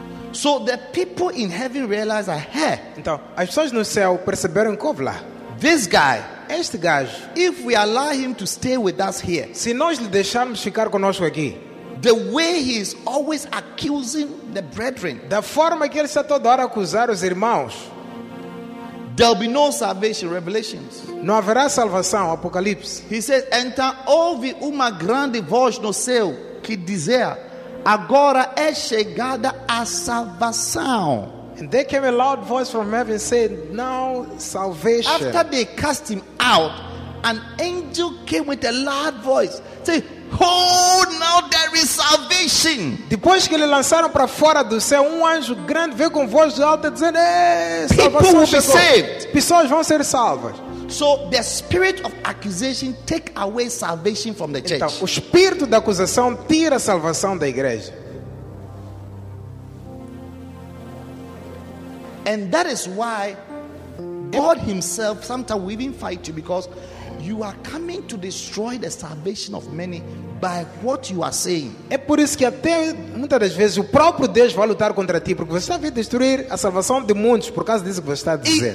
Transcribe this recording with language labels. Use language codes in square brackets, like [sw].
[en] So the people in heaven realize that, hey. [pt] Então, as pessoas no céu perceberam que lá. [en] This guy, [pt] este gajo, [en] if we allow him to stay with us here, [pt] se nós lhe deixarmos ficar conosco aqui, [en] the way he is always accusing the brethren, [pt] da forma que ele está toda hora a acusar os irmãos, [en] there'll be no salvation, revelations. [pt] Não haverá salvação, Apocalipse. [en] He says, [pt] então houve uma grande voz no céu que dizia, agora é chegada a salvação. [en] And there came a loud voice from heaven saying, now salvation. After they cast him out, an angel came with a loud voice saying, oh, now there is salvation. [pt] Depois que ele lançaram para fora do céu, um anjo grande veio com voz alta dizendo, salvação [en] chegou. People will be saved. [pt] Pessoas vão ser salvas. [en] So the spirit of accusation take away salvation from the church. [pt] Então, o espírito da acusação tira a salvação da igreja. [en] And that is why God himself sometimes will even fight you, because you are coming to destroy the salvation of many by what you are saying. [pt] É por isso que até muitas das vezes o próprio Deus vai lutar contra ti, porque você está a destruir a salvação de muitos por causa disso que você está a dizer.